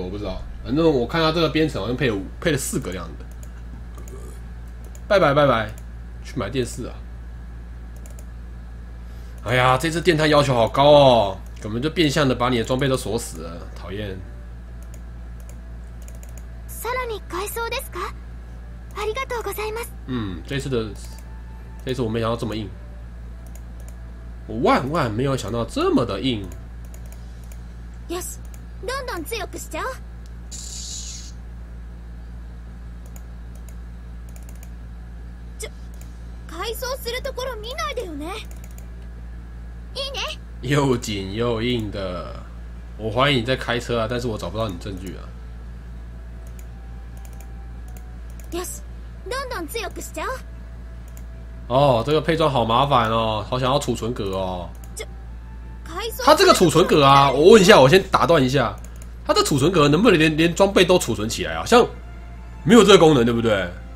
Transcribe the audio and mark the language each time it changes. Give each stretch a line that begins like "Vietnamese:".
Chinese: 我不知道，反正我看到这个编程好像配了四个这样的。拜拜拜拜，去买电视啊！哎呀，这次电探要求好高哦，根本就变相的把你的装备都锁死了，讨厌。
Japanese: さらに改装ですか？ありがとうございます。
Chinese: 这次我没想到这么硬，我万万没有想到这么的硬。
Japanese: よし、どんどん強くしちゃおう。ちょ、改装するところ見ないでよね。いいね。
Chinese: 又紧又硬的，我怀疑你在开车啊，但是我找不到你证据啊。
Japanese: よし、どんどん強くしちゃおう。
Chinese: 哦，这个配装好麻烦哦，好想要储存格哦。这，他这个储存格啊，我问一下，我先打断一下，它的储存格能不能连装备都储存起来啊？像没有这个功能，对不对？